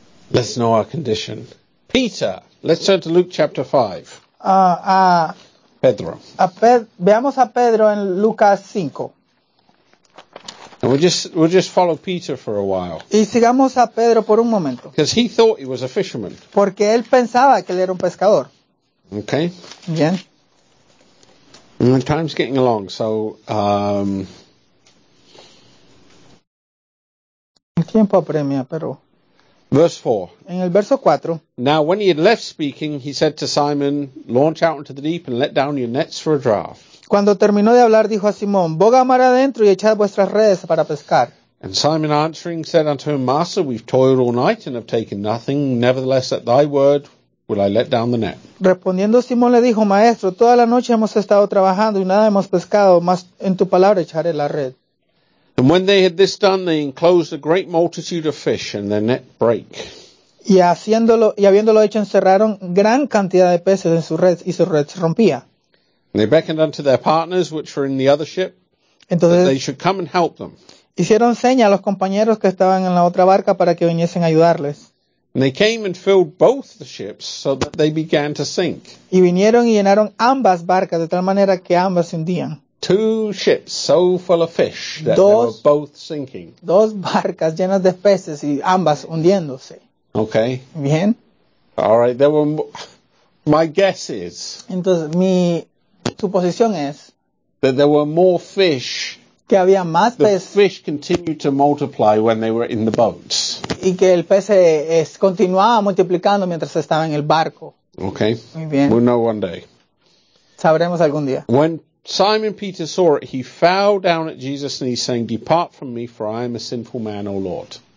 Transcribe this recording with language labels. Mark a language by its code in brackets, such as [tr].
[en] Let's know our condition. Peter, let's turn to Luke chapter 5. [es] Pedro. Veamos a Pedro en Lucas 5. [en] And we'll just follow Peter for a while. [es] Y sigamos a Pedro por un momento. [en] Because he thought he was a fisherman. [es] Porque él pensaba que él era un pescador. [en] Okay. [es] Bien. [en] And the time's getting along, so [es] el tiempo apremia, pero [en] verse 4. [es] En el verso 4. [en] Now when he had left speaking, he said to Simon, launch out into the deep and let down your nets for a draught. [es] Cuando terminó de hablar, dijo a Simón, boga mar adentro y echad vuestras redes para pescar. [en] And Simon answering said unto him, Master, we've toiled all night and have taken nothing. Nevertheless, at thy word will I let down the net. [es] Respondiendo Simón le dijo, Maestro, toda la noche hemos estado trabajando y nada hemos pescado, mas en tu palabra echaré la red. [en] And when they had this done, they enclosed a great multitude of fish, and their net brake. [es] Y habiéndolo hecho, encerraron gran cantidad de peces en su red, y su red se rompía. [en] And they beckoned unto their partners, which were in the other ship, [es] entonces, [en] that they should come and help them. [es] Hicieron seña a los compañeros que estaban en la otra barca para que viniesen a ayudarles. [en] And they came and filled both the ships, so that they began to sink. [es] Y vinieron y llenaron ambas barcas, de tal manera que ambas se hundían. [en] Two ships so full of fish that they were both sinking. [es] Dos barcas llenas de peces y ambas hundiéndose. [en] Okay. [es] Bien. [en] All right. There were My guess is. [es] Entonces, mi suposición es. [en] That there were more fish. [es] Que había más peces. [en] The fish continued to multiply when they were in the boats. [es] Y que el pez continuaba multiplicando mientras estaba en el barco. [en] Okay. [es] Muy bien. [en] We'll know one day. [es] Sabremos algún día. [en] When Simon Peter saw it, he fell down at Jesus' knees, saying, "Depart from me, for I am a sinful man, O Lord."